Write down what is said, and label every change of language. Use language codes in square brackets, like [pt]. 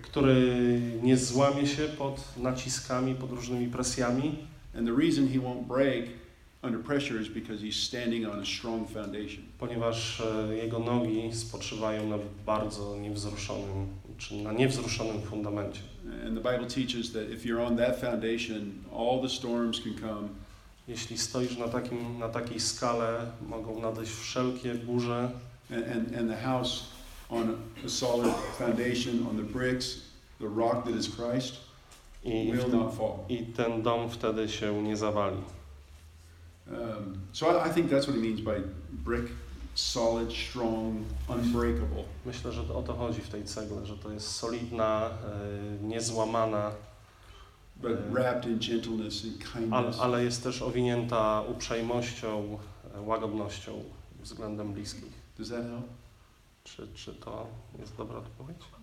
[pl] Który nie złamie się pod naciskami, pod różnymi presjami. [en] And the reason he won't break under pressure is because he's standing on a strong foundation. [pl] Ponieważ jego nogi spoczywają na bardzo niewzruszonym, czy na niewzruszonym fundamencie. [en] And the Bible teaches that if you're on that foundation, all the storms can come. [pl] Jeśli stoisz na takiej skale, mogą nadejść wszelkie burze. [en] And the house on a solid foundation, on the bricks, the rock that is Christ, will not fall. [pl] I ten dom wtedy się nie zawali. [en] So I think that's what he means by brick, solid, strong, unbreakable. [pl] Myślę, że o to chodzi w tej cegle, że to jest solidna, niezłamana. [en] But wrapped in gentleness and kindness. [pl] Ale jest też owinięta uprzejmością, łagodnością względem bliskich. [en] Does that help? [pl] Czy to jest dobra odpowiedź?